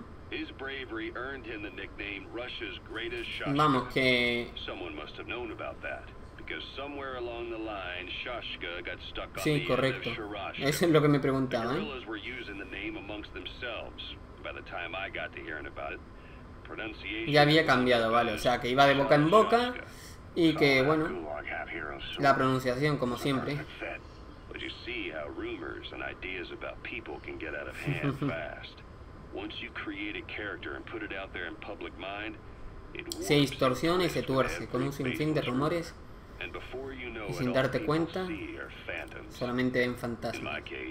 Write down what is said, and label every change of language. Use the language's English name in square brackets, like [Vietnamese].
[English] His bravery earned him the nickname Russia's greatest Shashka. [Spanish] Vamos, que... [English] Someone must have known about that. Because somewhere along the line, Shashka got stuck [Spanish] sí, [English] on the [Spanish] correcto. [English] End of Shirashka. [Spanish] Eso es lo que me preguntaba, [English] the guerrillas were using the name amongst themselves by the time I got to hearing about it. [Spanish] Ya había cambiado, vale, o sea que iba de boca en boca y que, bueno, la pronunciación, como siempre. [English] You see how rumors and ideas about people can get out of hand fast. Once you create a character and put it out there in public mind, it works. [Spanish] Se distorsiona y se tuerce con un sinfín de rumores y sin darte cuenta solamente ven fantasmas.